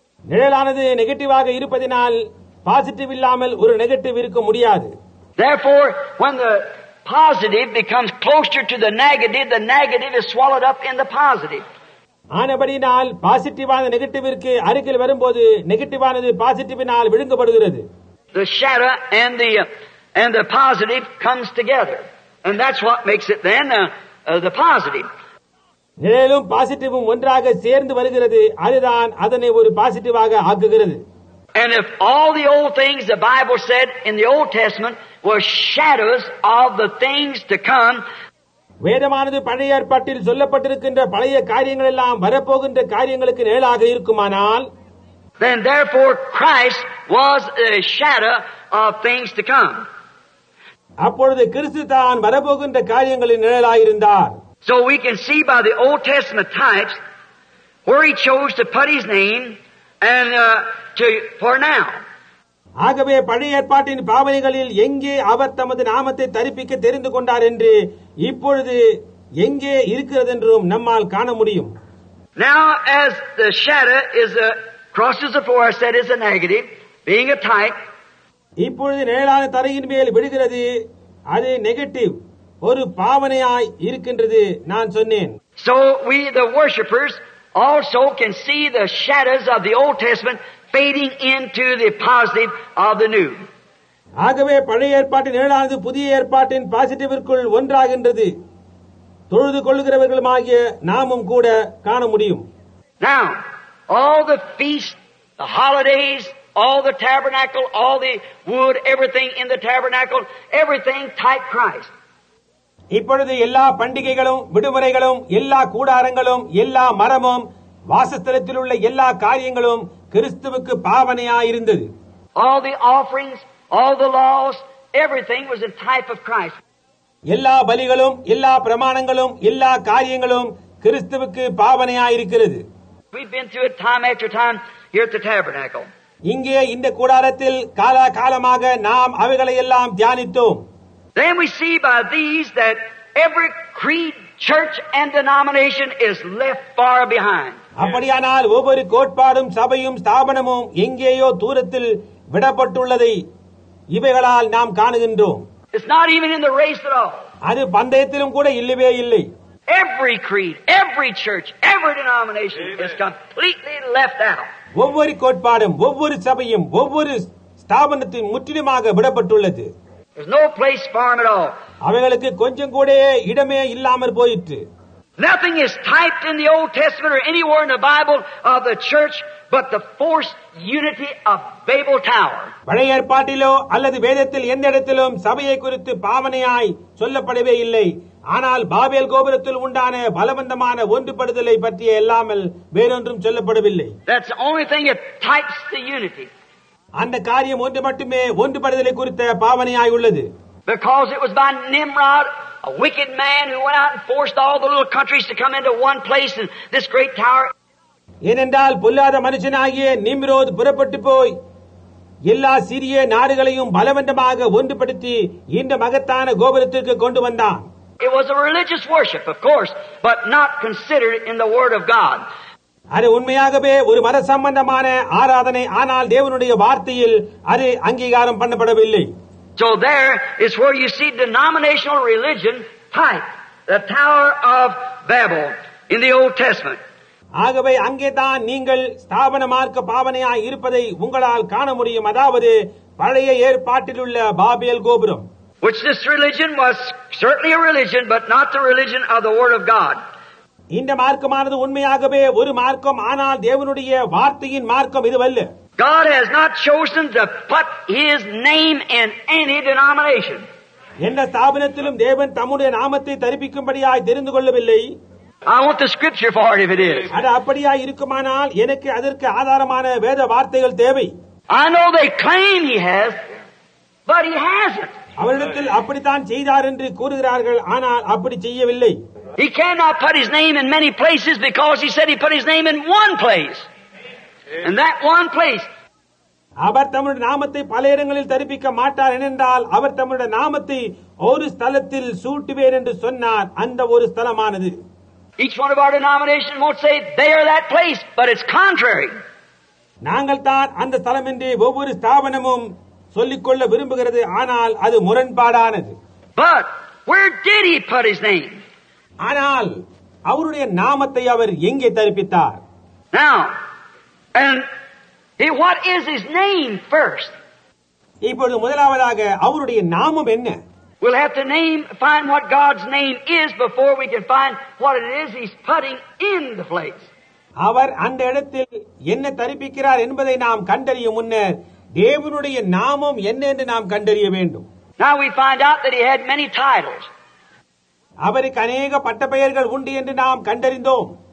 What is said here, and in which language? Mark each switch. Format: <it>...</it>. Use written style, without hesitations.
<ta>நிழலானது நெகட்டிவாக இருப்பதனால் பாசிட்டிவ் இல்லாமல் ஒரு நெகட்டிவ் இருக்க முடியாது.</ta> <en>Therefore when the positive becomes closer to the negative is swallowed up in the positive.</en> <ta>ஆனபடியால் பாசிட்டிவான நெகட்டிவிற்கு அருகில் வரும்போது நெகட்டிவானது பாசிட்டிவினால் விழுங்கப்படுகிறது.</ta> <en>The shadow and the positive comes together. And that's what makes it then the positive.</en> <ta>நிழலும் பாசிட்டிவும் ஒன்றாக சேர்ந்து வருகிறது. அதுதான் அதனை ஒரு பாசிட்டிவாக ஆக்குகிறது.</ta> <en>And if all the old things the Bible said in the Old Testament were shadows of the things to come,</en> <ta>வேதமானது பழைய ஏற்பாட்டில் சொல்லப்பட்டிருக்கின்ற பழைய காரியங்கள் எல்லாம் வரப்போகின்ற காரியங்களுக்கு நிழலாக இருக்குமானால்,</ta> <en>then therefore Christ was a shadow of things to come.</en> <ta>அப்பொழுது கிறிஸ்து தான் வரப்போகின்ற காரியங்களின் நிழலாயிருந்தார்.</ta> <en>So we can see by the Old Testament types where he chose to put his name and for now.</en> <ta>ஆகவே பழைய ஏற்பாட்டின் பாவனைகளில் எங்கே அவர் தமது நாமத்தை தரிப்பிக்க தெரிந்து கொண்டார் என்று இப்பொழுது எங்கே இருக்கிறது என்றும் நம்மால் காண முடியும்.</ta> <en>Now as the shadow is crosses the floor, I said is a negative, being a type.</en> <ta>இப்பொழுது நிழலான தரையின் மேல் விழுகிறது, அது நெகட்டிவ், ஒரு பாவனையாய் இருக்கின்றது நான் சொன்னேன்.</ta> <en>So we the worshippers also can see the shadows of the Old Testament fading into the positive of the new.</en> <ta>ஆகவே பழைய ஏற்பாட்டின் நிழலானது புதிய ஏற்பாட்டின் பாசிட்டிவிற்குள் ஒன்றாகின்றது. தொழுது கொள்ளுகிறவர்களுமாகிய நாமும் கூட காண முடியும்.</ta> <en>Now all the feasts, the holidays, all the tabernacle, all the wood, everything in the tabernacle, everything type Christ.</en> <ta>இப்பொழுது எல்லா பண்டிகைகளும் விடுமுறைகளும் எல்லா கூடாரங்களும் எல்லா மரமும் வாசஸ்தலத்தில் உள்ள எல்லா காரியங்களும் கிறிஸ்துவுக்கு பாவனையாயிருந்தது.</ta> <en>All the offerings, all the laws, everything was a type of Christ.</en> <ta>எல்லா பலிகளும் எல்லா பிரமாணங்களும் எல்லா காரியங்களும் கிறிஸ்துவுக்கு பாவனையாயிருக்கிறது.</ta> <en>We've been through it time after time here at the tabernacle.</en> <ta>இங்கே இந்த கூடாரத்தில் காலாகாலமாக நாம் அவைகளை எல்லாம் தியானித்தோம்.</ta> <en>Then we see by these that every creed, church and denomination is left far behind.</en> <ta>அப்படியானால் ஒவ்வொரு கோட்பாடும் சபையும் ஸ்தாபனமும் எங்கேயோ தூரத்தில் விடப்பட்டுள்ளதை இவைகளால் நாம் காணுகின்றோம்.</ta> <en>It's not even in the race at all.</en> <ta>அது பந்தயத்திலும் கூட இல்லவே இல்லை.</ta> <en>Every creed, every church, every denomination Amen. Is completely left out.</en> <ta>ஒவ்வொரு கோட்பாடும், ஒவ்வொரு சபையும், ஒவ்வொரு ஸ்தாபனத்தையும் முற்றிலுமாக விடப்பட்டுள்ளது.</ta> <en>There's no place for them at all.</en> <ta>அவைகளுக்கு கொஞ்சம் கூட இடமே இல்லாமல் போயிற்று.</ta> <en>Nothing is typed in the Old Testament or anywhere in the Bible of the church but the forced unity of Babel Tower.</en> <ta>பழைய ஏற்பாட்டிலோ அல்லது வேதத்தில் எந்த இடத்திலும் சபையை குறித்து பாவனையாய் சொல்லப்படவே இல்லை. ஆனால் பாபேல் கோபுரத்தில் உண்டான பலவந்தமான ஒன்றுபடுதலை பற்றிய எல்லாமல் வேறொன்றும் சொல்லப்படவில்லை.</ta> <en>That's the only thing that types the unity.</en> <ta>அந்த காரியம் ஒன்று மட்டுமே ஒன்றுபடுதலை குறித்த பாவனையாய் உள்ளது.</ta> <en>Because it was by Nimrod, a wicked man who went out and forced all the little countries to come into one place in this great tower.</en> <ta>ஏனென்றால் பொல்லாத மனுஷனாகிய நிம்ரோத் புறப்பட்டு போய் எல்லா சிறிய நாடுகளையும் பலவந்தமாக ஒன்றுபடுத்தி இந்த மகத்தான கோபுரத்திற்கு கொண்டு வந்தான்.</ta> <en>It was a religious worship, of course, but not considered in the word of God.</en> <ta>அது உண்மையாகவே ஒரு மத சம்பந்தமான ஆராதனை, ஆனால் தேவனுடைய வார்த்தையில் அது அங்கீகாரம் பண்ணப்படவில்லை.</ta> <en>So there is where you see denominational religion type, the Tower of Babel in the Old Testament.</en> <ta>ஆகவே அங்கேதான் நீங்கள் ஸ்தாபன மார்க்க பாவனையாய் இருப்பதை உங்களால் காண முடியும். அதாவது பழைய ஏற்பாட்டில் உள்ள பாபேல் கோபுரம்.</ta> <en>Which this religion was certainly a religion, but not the religion of the Word of God.</en> <ta>இந்த மார்க்கமானது உண்மையாகவே ஒரு மார்க்கம், ஆனால் தேவனுடைய வார்த்தையின் மார்க்கம் இதுவல்ல.</ta> <en>God has not chosen to put his name in any denomination.</en> <ta>என்ன ஸ்தாபனத்திலும் தேவன் தம்முடைய நாமத்தை தரிப்பிக்கும்படியாய் தெரிந்து கொள்ளவில்லை.</ta> <en>I want the scripture for it if it is.</en> <ta>அது அப்படியா இருக்குமானால் எனக்கு அதற்கு ஆதாரமான வேத வார்த்தைகள் தேவை.</ta> <en>I know they claim he has, but he hasn't.</en> <ta>அவர்கள் அப்படித்தான் செய்தார் என்று கூறுகிறார்கள், ஆனால் அப்படி செய்யவில்லை.</ta> <en>He cannot put his name in many places because he said he put his name in one place. And that one place.</en> <ta>அவர் தம்முடைய நாமத்தை பல இடங்களில் தரிப்பிக்க மாட்டார் என்றால் அவர் தம்முடைய நாமத்தை ஒரு ஸ்தலத்தில் சூட்டுவேன் என்று சொன்னார். அந்த ஒரு ஸ்தலமானது.</ta> <en>Each one of our denomination won't say they are that place, but it's contrary.</en> <ta>நாங்கள் தான் அந்த ஸ்தலம் என்று ஒவ்வொரு ஸ்தாபனமும் சொல்லிக்கொள்ள விரும்புகிறது, ஆனால் அது முரண்பாடானது.</ta> <en>But where did he put his name?</en> <ta>ஆனால் அவருடைய நாமத்தை அவர் எங்கே தரிப்பித்தார்?</ta> <en>Now, and he, what is his name first?</en> <ta>இப்பொழுது முதலாவதாக அவருடைய நாமம் என்ன?</ta> <en>We'll have to name, find what God's name is before we can find what it is he's putting in the place.</en> <ta>அவர் அந்த இடத்தில் என்ன தரிப்பிக்கிறார் என்பதை நாம் கண்டறிய முன்னர் தேவனுடைய நாமம் என்ன என்று நாம் கண்டறிய வேண்டும்.</ta> <en>Now we find out that he had many titles.</en> <ta>அவருக்கு அநேக பட்டப்பெயர்கள் உண்டு என்று நாம் கண்டறிந்தோம்.</ta>